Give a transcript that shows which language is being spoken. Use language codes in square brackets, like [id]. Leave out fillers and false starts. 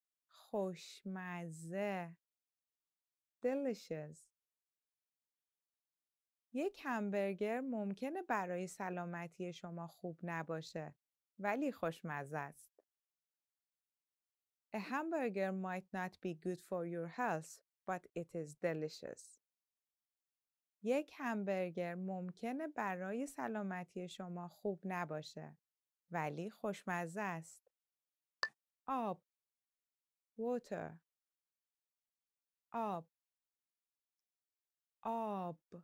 [fa] خوشمزه. [en] Delicious. [fa] یک همبرگر ممکنه برای سلامتی شما خوب نباشه ولی خوشمزه است. [en] A hamburger might not be good for your health, but it is delicious. [fa] یک همبرگر ممکنه برای سلامتی شما خوب نباشه، ولی خوشمزه است. آب. [en] Water. [fa] آب. آب.